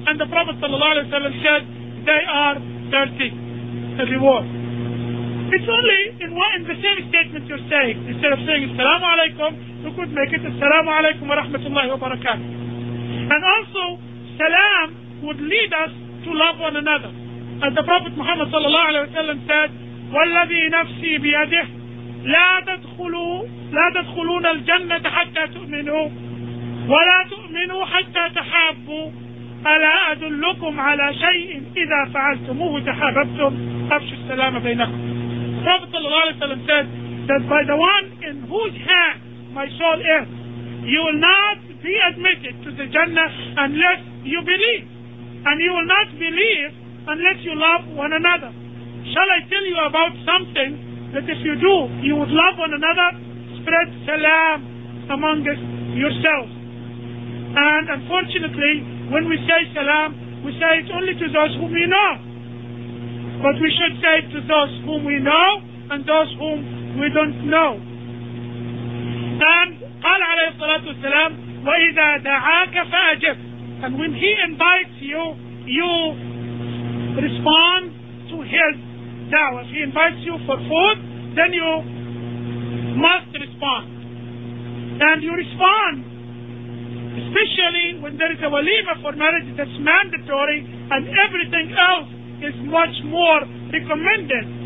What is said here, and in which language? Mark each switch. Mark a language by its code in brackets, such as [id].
[en] And the Prophet sallallahu alayhi wa sallam said, they are 30 reward. It's only in the same statement you're saying. Instead of saying Assalamu alaikum, you could make it Assalamu alaikum wa rahmatullahi wa barakatuh. And also, salam would lead us to love one another. [ar] And the Prophet Muhammad sallallahu alaihi wasallam said, وَالَّذِي نَفْسِي بِيَدِهِ لَا تَدْخُلُونَ الْجَنَّةَ حَتَّى تُؤْمِنُوا وَلَا تُؤْمِنُوا حَتَّى تَحَابُوا ألا أدلكم على شيء إذا فعلتموه تحاببتم أفشوا السلام بينكم. [en] Prophet sallallahu alaihi wasallam said that by the one in whose hand my soul is, you will not be admitted to the Jannah unless you believe, and you will not believe unless you love one another. Shall I tell you about something that if you do, you would love one another? Spread salam among yourselves. And unfortunately, when we say salam, we say it only to those whom we know. But we should say it to those whom we know and those whom we don't know. And [ar] قال عليه الصلاة والسلام وإذا دعاك فأجب. [en] And when he invites you, you respond to his da'wah. If he invites you for food, then you must respond. And you respond, especially when there is a walima for marriage that's mandatory and everything else is much more recommended.